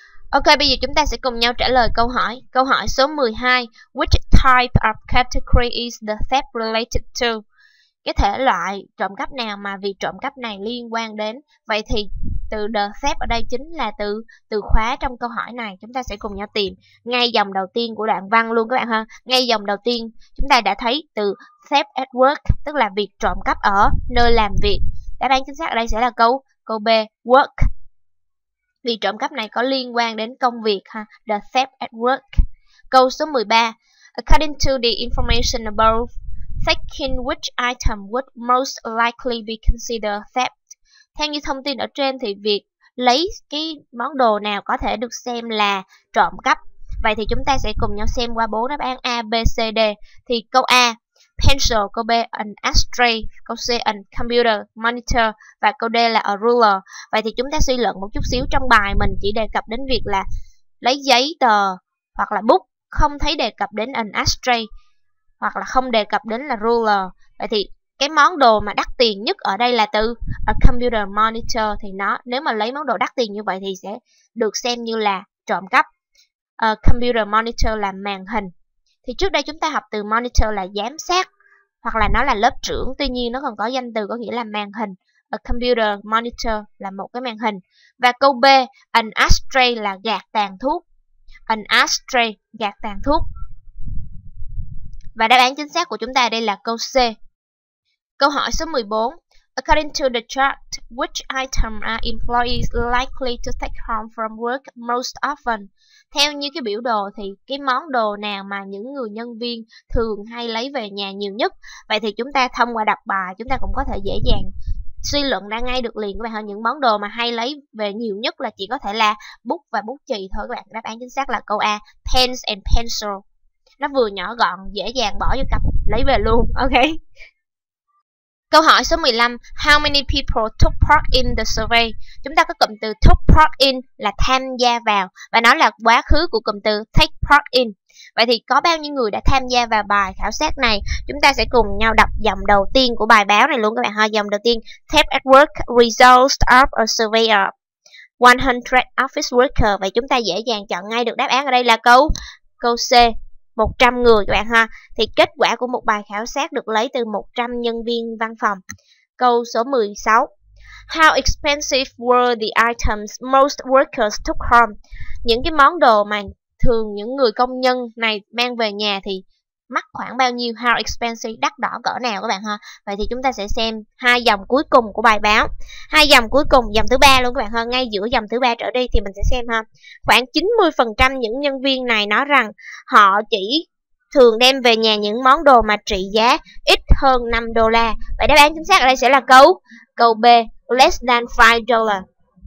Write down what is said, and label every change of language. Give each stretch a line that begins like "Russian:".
Vietnamese: Ok, bây giờ chúng ta sẽ cùng nhau trả lời câu hỏi. Câu hỏi số 12.
English: Which type of category is the theft related to?
Vietnamese: Cái thể loại trộm cắp nào mà vì trộm cắp này liên quan đến? Vậy thì từ the theft ở đây chính là từ khóa trong câu hỏi này. Chúng ta sẽ cùng nhau tìm ngay dòng đầu tiên của đoạn văn luôn các bạn ha. Ngay dòng đầu tiên chúng ta đã thấy từ
English: theft at work,
Vietnamese: tức là việc trộm cắp ở nơi làm việc. Đáp án chính xác ở đây sẽ là câu B, work. Vì trộm cắp này có liên quan đến công việc ha,
English: the theft at work.
Vietnamese: Câu số 13.
English: According to the information above, taking which item would most likely be considered theft?
Vietnamese: Theo như thông tin ở trên thì việc lấy cái món đồ nào có thể được xem là trộm cắp? Vậy thì chúng ta sẽ cùng nhau xem qua bốn đáp án A, B, C, D. Thì câu A, pencil, câu B, an ashtray, câu C, an computer, monitor, và câu D là a ruler. Vậy thì chúng ta suy luận một chút xíu, trong bài mình chỉ đề cập đến việc là lấy giấy, tờ hoặc là bút, không thấy đề cập đến an ashtray hoặc là không đề cập đến là ruler. Vậy thì cái món đồ mà đắt tiền nhất ở đây là từ a computer monitor, thì nó nếu mà lấy món đồ đắt tiền như vậy thì sẽ được xem như là trộm cắp. A computer monitor là màn hình. Thì trước đây chúng ta học từ monitor là giám sát, hoặc là nó là lớp trưởng. Tuy nhiên nó còn có danh từ có nghĩa là màn hình. A computer monitor là một cái màn hình. Và câu B, an ashtray là gạt tàn thuốc. An ashtray, gạt tàn thuốc. Và đáp án chính xác của chúng ta đây là câu C. Câu hỏi số 14.
English: According to the chart, which item are employees likely to take home from work most often?
Vietnamese: Theo như cái biểu đồ thì cái món đồ nào mà những người nhân viên thường hay lấy về nhà nhiều nhất? Vậy thì chúng ta thông qua đọc bài chúng ta cũng có thể dễ dàng suy luận ra ngay được liền các bạn hỏi. Những món đồ mà hay lấy về nhiều nhất là chỉ có thể là bút và bút chì thôi các bạn. Đáp án chính xác là câu A,
English: pens and pencil.
Vietnamese: Nó vừa nhỏ gọn, dễ dàng bỏ vô cặp lấy về luôn, ok. Câu hỏi số 15.
English: How many people took part in the survey?
Vietnamese: Chúng ta có cụm từ took part in là tham gia vào, và nó là quá khứ của cụm từ take part in. Vậy thì có bao nhiêu người đã tham gia vào bài khảo sát này? Chúng ta sẽ cùng nhau đọc dòng đầu tiên của bài báo này luôn các bạn ha. Dòng đầu tiên:
English: Theft at work, results of a survey of 100 office workers.
Vietnamese: Vậy chúng ta dễ dàng chọn ngay được đáp án ở đây là câu C, 100 người các bạn ha. Thì kết quả của một bài khảo sát được lấy từ 100 nhân viên văn phòng. Câu số 16.
English: How expensive were the items most workers took home?
Vietnamese: Những cái món đồ mà thường những người công nhân này mang về nhà thì mắc khoảng bao nhiêu?
English: How expensive,
Vietnamese: đắt đỏ cỡ nào các bạn ha. Vậy thì chúng ta sẽ xem hai dòng cuối cùng của bài báo. Hai dòng cuối cùng, dòng thứ ba luôn các bạn ha. Ngay giữa dòng thứ ba trở đi thì mình sẽ xem ha. Khoảng 90% những nhân viên này nói rằng họ chỉ thường đem về nhà những món đồ mà trị giá ít hơn $5. Vậy đáp án chính xác ở đây sẽ là câu B,
English: less than $5.